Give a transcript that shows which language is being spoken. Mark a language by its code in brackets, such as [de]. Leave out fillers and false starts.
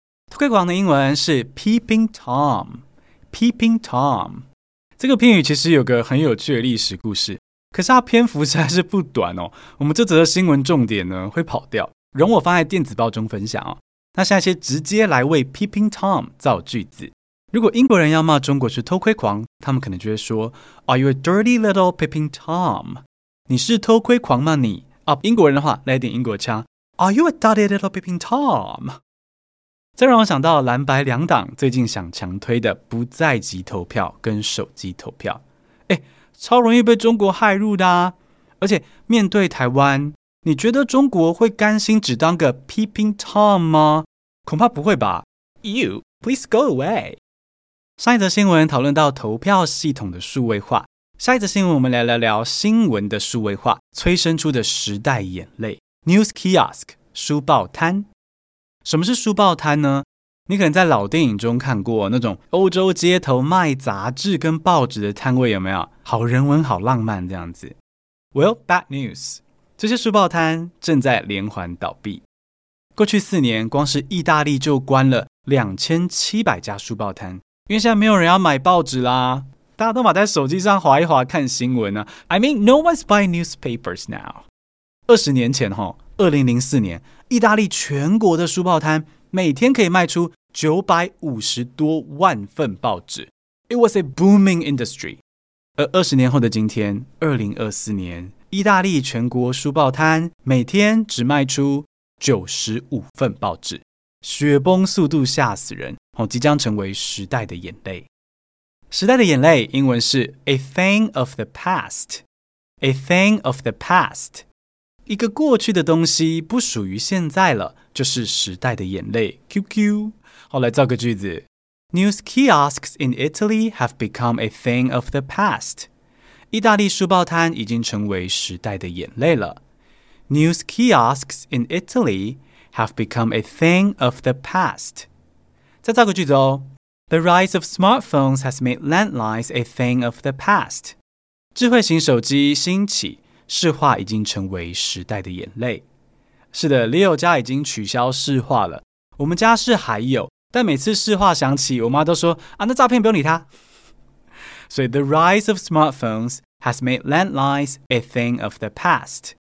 [zh] 偷窥狂的英文是 Peeping Tom， Peeping Tom 这个片语其实有个很有趣的历史故事，可是它篇幅实在是不短哦，我们这则新闻重点呢会跑掉，容我放在电子报中分享哦。那现在先直接来为 Peeping Tom 造句子。如果英国人要骂中国是偷窥狂，他们可能就会说 [en] Are you a dirty little Peeping Tom？ [zh] 你是偷窥狂吗你？英国人的话来点英国腔 [en] Are you a dirty little Peeping Tom？ [zh] 这让我想到蓝白两党最近想强推的不在籍投票跟手机投票，超容易被中国害入的啊。而且面对台湾，你觉得中国会甘心只当个 Peeping Tom 吗？恐怕不会吧。 [en] You please go away。 [zh] 上一则新闻讨论到投票系统的数位化，下一则新闻我们来聊聊新闻的数位化催生出的时代眼泪 News Kiosk 书报摊。什么是书报摊呢？你可能在老电影中看过那种欧洲街头卖杂志跟报纸的摊位，有没有？好人文好浪漫这样子。 [en] Well, bad news， [zh] 这些书报摊正在连环倒闭。过去4年，光是意大利就关了2700家书报摊，因为现在没有人要买报纸啦，大家都把在手机上滑一滑看新闻啊。 [en] I mean, no one's buying newspapers now。 [zh] 20年前，2004年，意大利全国的书报摊每天可以卖出950多万份报纸。 [en] It was a booming industry。 [zh] 而20年后的今天，2024年，意大利全国书报摊每天只卖出95份报纸。雪崩速度吓死人，即将成为时代的眼泪。时代的眼泪英文是 [en] A thing of the past， A thing of the past， [zh] 一个过去的东西不属于现在了，就是时代的眼泪 QQ。好，来造个句子。 [en] News kiosks in Italy have become a thing of the past， [zh] 意大利书报摊已经成为时代的眼泪了。 [en] News kiosks in Italy have become a thing of the past。 [zh] 再造个句子哦。 [en] The rise of smartphones has made landlines a thing of the past. [zh] 智慧型手机兴起，市话已经成为时代的眼泪。是的 ，Leo 家已经取消市话了。我们家是还有，但每次市话响起，我妈都说啊，那诈骗不用理他。所以 [en] ，The rise of smartphones has made landlines a thing of the past.